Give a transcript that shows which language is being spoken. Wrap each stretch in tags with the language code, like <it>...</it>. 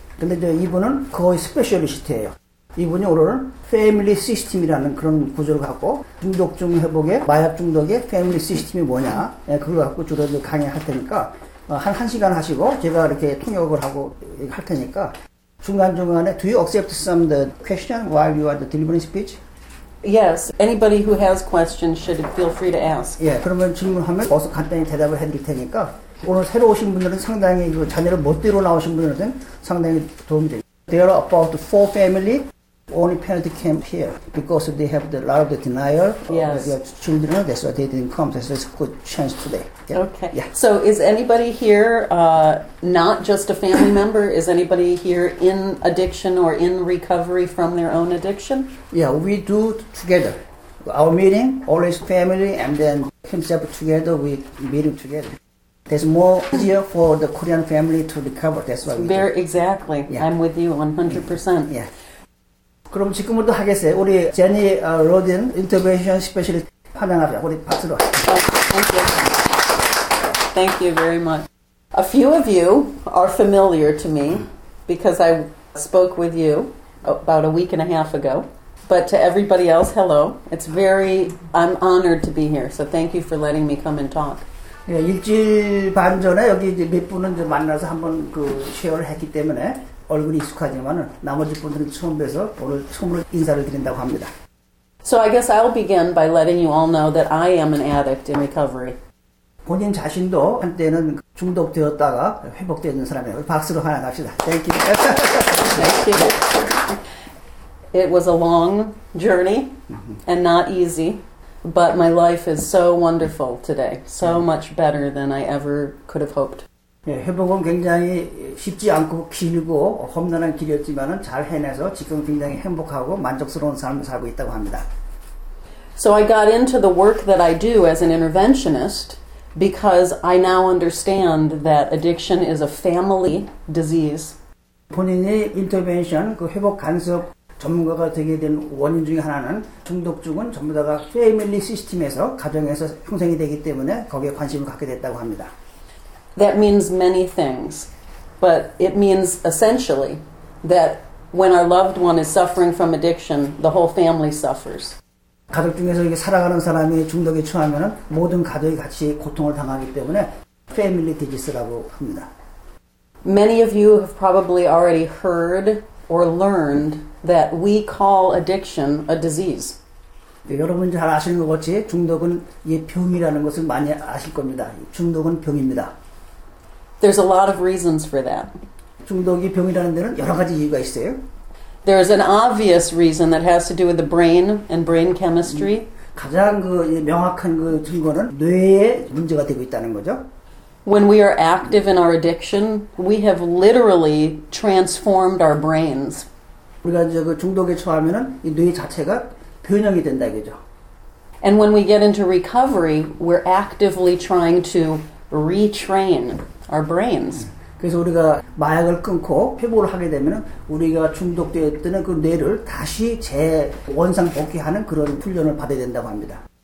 <ko>근데 이제 이분은 거의 스페셜리스트예요. 이분이 오늘은 패밀리 시스템이라는 그런 구조를 갖고 중독증 회복에 마약 중독의 패밀리 시스템이 뭐냐 그걸 갖고 주로 강의할 테니까 한 시간 하시고 제가 이렇게 통역을 하고 할 테니까 중간중간에</ko> <en>Do you accept some the question while you are delivering speech? Yes. Anybody who has questions should feel free to ask.</en> <ko>예, 그러면 질문하면 어서 간단히 대답을 해드릴 테니까 오늘 새로 오신 분들은 상당히 그 자녀를 멋대로 나오신 분들은 상당히 도움이 돼요.</ko> <en>There are about four family, only parent came here because they have a lot of the denial. Yes. Their children, that's why they didn't come. This is a good chance today. Yeah. Okay. Yeah. So is anybody here not just a family member? Is anybody here in addiction or in recovery from their own addiction? Yeah, we do together. Our meeting, always family and then himself together, we meet together. It's more easier for the Korean family to recover. That's why we do. Exactly. Yeah. I'm with you 100%. Yeah.</en> <ko>그럼 지금부터 하겠어요. 우리 제니 로딘 인터벤션 스페셜리스트 환영합니다. 우리 박수로.</ko> <en>Thank you. Thank you very much. A few of you are familiar to me because I spoke with you about a week and a half ago. But to everybody else, hello. I'm honored to be here. So thank you for letting me come and talk.</en> <ko>예, 일주일 반 전에 여기 이제 몇 분은 이제 만나서 한번 그 쉐어를 했기 때문에 얼굴이 익숙하지만은 나머지 분들은 처음 뵈서 오늘 처음으로 인사를 드린다고 합니다.</ko> <en>So I guess I'll begin by letting you all know that I am an addict in recovery.</en> <ko>본인 자신도 한때는 중독되었다가 회복되는 사람이에요. 박수로 하나 갑시다.</ko> <en>Thank you. Thank you. It was a long journey and not easy. But my life is so wonderful today, so much better than I ever could have hoped.</en> <ko>예, 회복은 굉장히 쉽지 않고 길고 험난한 길이었지만은 잘 해내서 지금 굉장히 행복하고 만족스러운 삶을 살고 있다고 합니다.</ko> <en>So I got into the work that I do as an interventionist because I now understand that addiction is a family disease.</en> <ko>본인의 인터벤션, 그 회복 간섭 전문가가 되게 된 원인 중에 하나는 중독증은 전부 다가 패밀리 시스템에서 가정에서 형성이 되기 때문에 거기에 관심을 갖게 됐다고 합니다.</ko> <en>That means many things, but it means essentially that when our loved one is suffering from addiction, the whole family suffers.</en> <ko>가족 중에서 이게 살아가는 사람이 중독에 처하면 모든 가족이 같이 고통을 당하기 때문에 패밀리 디지스라고 합니다.</ko> <en>Many of you have probably already heard or learned that we call addiction a disease.</en> <ko>네, 여러분 잘 아시는 것 같이 중독은 예, 병이라는 것을 많이 아실 겁니다. 중독은 병입니다.</ko> <en>There's a lot of reasons for that.</en> <ko>중독이 병이라는 데는 여러 가지 이유가 있어요.</ko> <en>There's an obvious reason that has to do with the brain and brain chemistry.</en> <ko>가장 그 명확한 그 증거는 뇌에 문제가 되고 있다는 거죠.</ko> <en>When we are active in our addiction, we have literally transformed our brains.</en> <ko>우리가 이제 그 중독에 처하면은 이 뇌 자체가 변형이 된다 그죠.</ko> <en>And when we get into recovery, we're actively trying to retrain our brains.</en> <ko>그래서 우리가 마약을 끊고 회복을 하게 되면은 우리가 중독되었던 그 뇌를 다시 재원상 복귀하는 그런 훈련을 받아야 된다고 합니다.</ko>